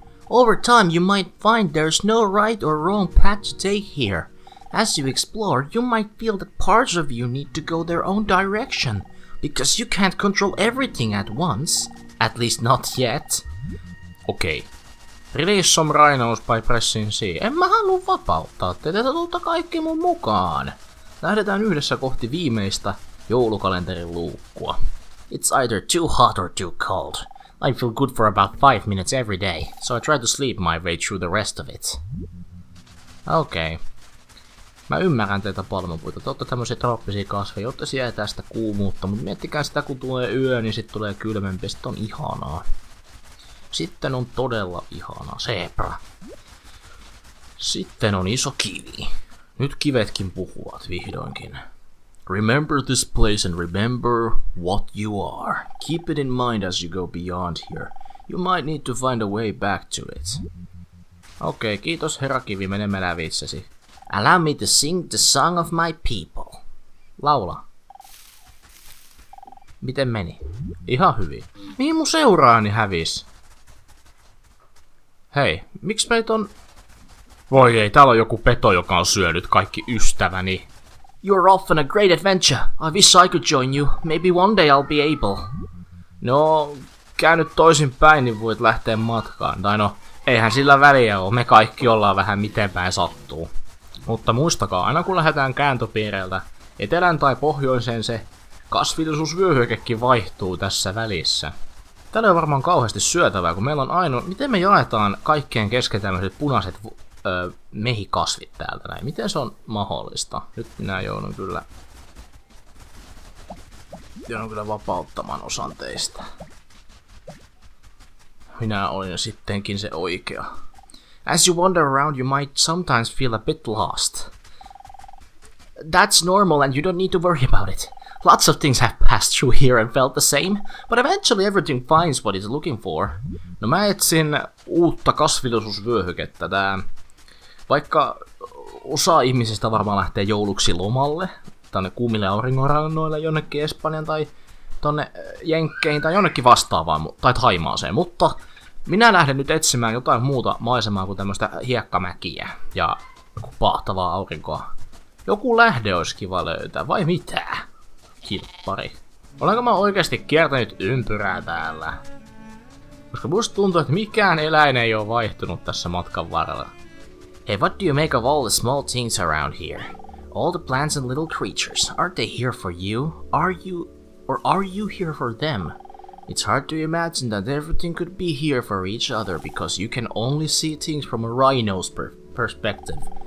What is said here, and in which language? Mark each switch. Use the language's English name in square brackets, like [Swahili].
[English] Over time you might find there's no right or wrong path to take here. As you explore, you might feel that parts of you need to go their own direction. Because you can't control everything at once. At least not yet. Okay. Release some rhinos by pressing C. [Finnish] En mä haluu vapauttaa teitä, tulta kaikki mun mukaan. Lähdetään yhdessä kohti viimeistä joulukalenterin luukkua. [English] It's either too hot or too cold. I feel good for about 5 minutes every day, so I try to sleep my way through the rest of it. [Finnish] Okei. Mä ymmärrän teitä palmupuita. Te ootte tämmösiä trooppisia kasveja, jotta se jää tästä kuumuutta, mutta miettikää sitä, kun tulee yö, niin sit tulee kylmempi, sit on ihanaa. Sitten on todella ihana zebra. Sitten on iso kivi. Nyt kivetkin puhuvat vihdoinkin. [English] Remember this place and remember what you are. Keep it in mind as you go beyond here. You might need to find a way back to it. [Finnish] Okei, kiitos herra kivi, menemme lävitsesi. [English] Allow me to sing the song of my people. [Finnish] Laula. Miten meni? Ihan hyvin. Mihin mun seuraani hävis? Hei, miksi meitä on... Voi ei, täällä on joku peto, joka on syönyt kaikki ystäväni. [English] You're off on a great adventure. I wish I could join you. Maybe one day I'll be able. [Finnish] No, käänny toisin päin, niin voit lähteä matkaan. Tai no, eihän sillä väliä oo. Me kaikki ollaan vähän miten päin sattuu. Mutta muistakaa, aina kun lähdetään kääntöpiireiltä, etelän tai pohjoiseen se kasvillisuusvyöhykekin vaihtuu tässä välissä. Täällä on varmaan kauheasti syötävää, kun meillä on ainoa... Miten me jaetaan kaikkien kesken tämmöiset punaiset... mehikasvit täältä näin. Miten se on mahdollista? Nyt minä joudun kyllä vapauttamaan osan teistä. Minä olin sittenkin se oikea. [English] As you wander around, you might sometimes feel a bit lost. That's normal and you don't need to worry about it. Lots of things have passed through here and felt the same, but eventually everything finds what it's looking for. [Finnish] No mä etsin uutta kasvillisuusvyöhykettä tää. Vaikka osa ihmisistä varmaan lähtee jouluksi lomalle, tänne kuumille auringonrannoille, jonnekin Espanjan tai tonne Jenkkeihin tai jonnekin vastaavaan tai Thaimaaseen, mutta minä lähden nyt etsimään jotain muuta maisemaa kuin tämmöistä hiekkamäkiä ja paahtavaa aurinkoa. Joku lähde olisi kiva löytää, vai mitä? Kilppari. Olenko mä oikeasti kiertänyt ympyrää täällä? Koska musta tuntuu, että mikään eläin ei ole vaihtunut tässä matkan varrella. [English] Hey, what do you make of all the small things around here? All the plants and little creatures, aren't they here for you? Are you... or are you here for them? It's hard to imagine that everything could be here for each other because you can only see things from a rhino's perspective.